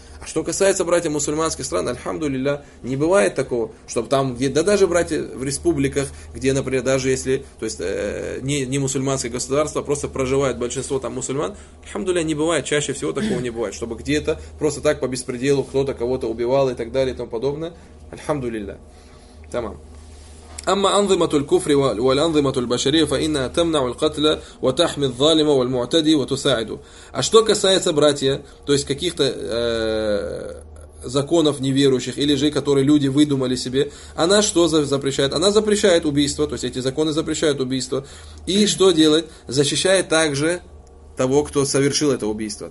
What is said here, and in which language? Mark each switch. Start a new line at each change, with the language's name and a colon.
Russian: А что касается, братья, мусульманских стран, альхамдулилля, не бывает такого, чтобы там, где, да даже, братья, в республиках, где, например, даже если, то есть, не мусульманское государство, просто проживает большинство там мусульман, альхамдулилля, не бывает, чаще всего такого не бывает, чтобы где-то просто так по беспределу кто-то кого-то убивал и так далее и тому подобное, альхамдулилля, тамам.
Arabic: أما أنظمة الكفر والأنظمة البشرية فإنها تمنع القتل وتحمي الظالم والمعتدي وتساعده.
Russian: А что касается, братья, то есть каких-то законов неверующих или же которые люди выдумали себе, она что запрещает? Она запрещает убийство, то есть эти законы запрещают убийство. И что делать? Защищает также того, кто совершил это убийство.